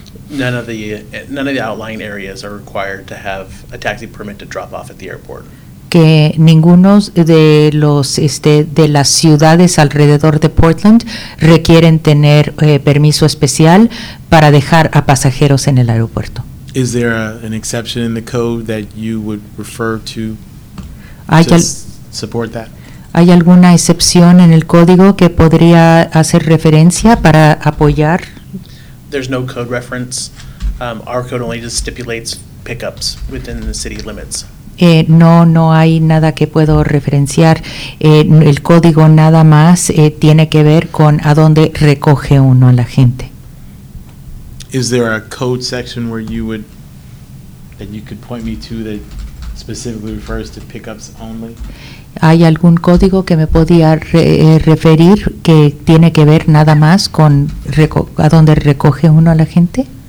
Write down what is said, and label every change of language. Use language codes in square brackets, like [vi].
[en] None of the outlying areas are required to have a taxi permit to drop off at the airport. [es] Que ninguno de los de las ciudades alrededor de Portland requieren tener permiso especial para dejar a pasajeros en el aeropuerto. [en] Is there an exception in the code that you would refer to support that? [es] ¿Hay alguna excepción en el código que podría hacer referencia para apoyar? [en] There's no code reference. Our code only just stipulates pickups within the city limits. [es] No hay nada que puedo referenciar. El código nada más tiene que ver con a dónde recoge uno a la gente. [en] Is there a code section where you would, that you could point me to that specifically refers to pickups only? [es] ¿Hay algún código que me podía referir que tiene que ver nada más con a dónde recoge uno a la gente?